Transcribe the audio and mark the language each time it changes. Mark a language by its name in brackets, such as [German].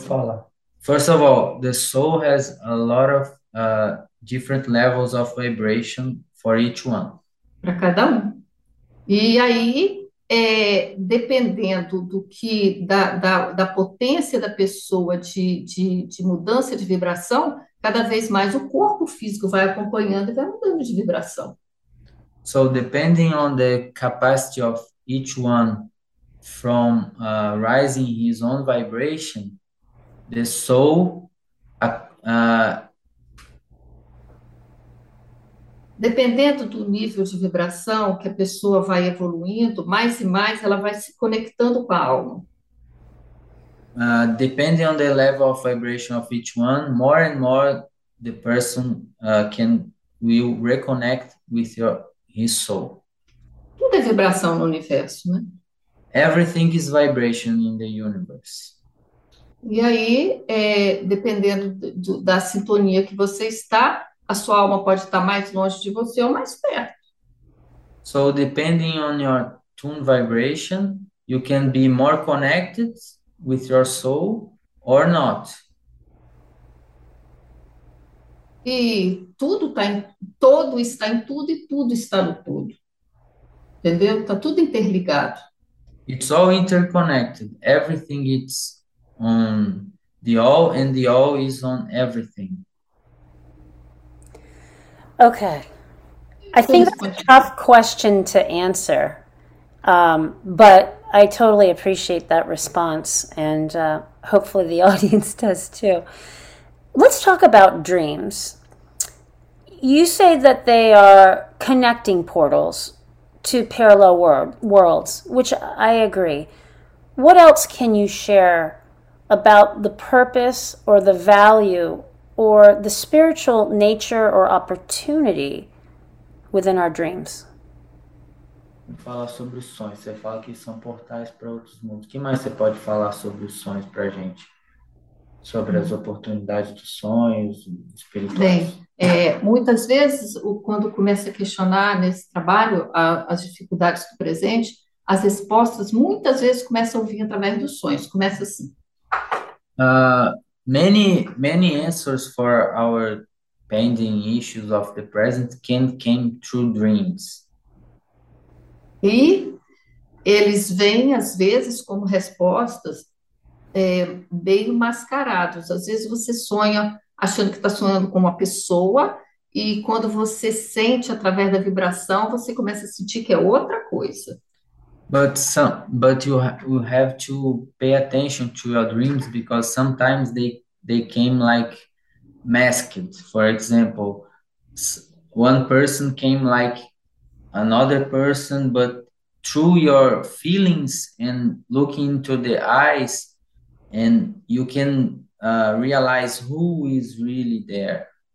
[Portuguese] falar. [English] First of all, the soul has a lot of different levels of vibration for each one. [Portuguese] Para cada um. E aí dependendo do que da potência da pessoa de mudança de vibração, cada vez mais o corpo físico vai acompanhando e vai mudando de vibração. [English] So, depending on the capacity of each one from rising his own vibration, the soul, [Portuguese] Dependendo do nível de vibração que a pessoa vai evoluindo, mais e mais ela vai se conectando com a alma. [English] depending on the level of vibration of each one, more and more the person will reconnect with his soul. [Portuguese] Tudo é vibração no universo, né? [English] Everything is vibration in the universe. [Portuguese] E aí, dependendo da sintonia que você está, a sua alma pode estar mais longe de você ou mais perto. [English] So, depending on your tune vibration, you can be more connected with your soul or not. [Portuguese] E tudo está em todo está em tudo e tudo está no todo. Entendeu? Está tudo interligado. [English] It's all interconnected. Everything is on the all, and the all is on everything. Okay, I think that's a continue. tough question to answer, but I totally appreciate that response, and hopefully the audience does too. Let's talk about dreams. You say that they are connecting portals to parallel worlds, which I agree. What else can you share about the purpose or the value or the spiritual nature or opportunity within our dreams? [Portuguese] Falar sobre os sonhos, você fala que são portais para outros mundos. O que mais você pode falar sobre os sonhos para a gente? Sobre as oportunidades dos sonhos espirituais? Bem, muitas vezes, quando começa a questionar nesse trabalho as dificuldades do presente, as respostas muitas vezes começam a vir através dos sonhos. Começa assim. [English] Many answers for our pending issues of the present came through dreams. [Portuguese] E eles vêm, às vezes, como respostas bem mascarados. Às vezes você sonha achando que está sonhando com uma pessoa, e quando você sente através da vibração, você começa a sentir que é outra coisa. [English] But you have to pay attention to your dreams because sometimes they came like masked. For example, one person came like another person, but through your feelings and looking into the eyes, and you can realize who is really there.